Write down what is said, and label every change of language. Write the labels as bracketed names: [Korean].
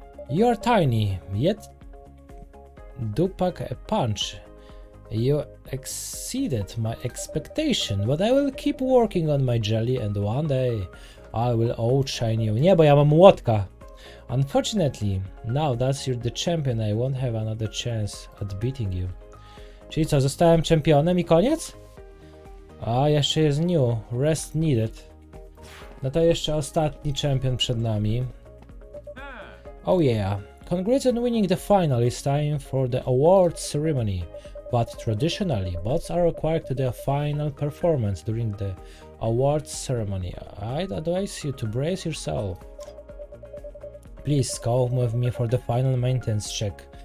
[English] You're tiny, yet do pack a punch. You exceeded my expectation, but I will keep working on my jelly and one day I will outshine you. [Polish] Nie, bo ja mam młotka. [English] Unfortunately, now that you're the champion, I won't have another chance at beating you. [Polish] Czyli co, zostałem czempionem i koniec? A, jeszcze jest [English] new. Rest needed. [Polish] No to jeszcze ostatni champion przed nami. [English] Oh yeah. Congrats on winning the final. It's time for the award ceremony. But traditionally, bots are required to do a final performance during the awards ceremony. I'd advise you to brace yourself. Please come with me for the final maintenance check.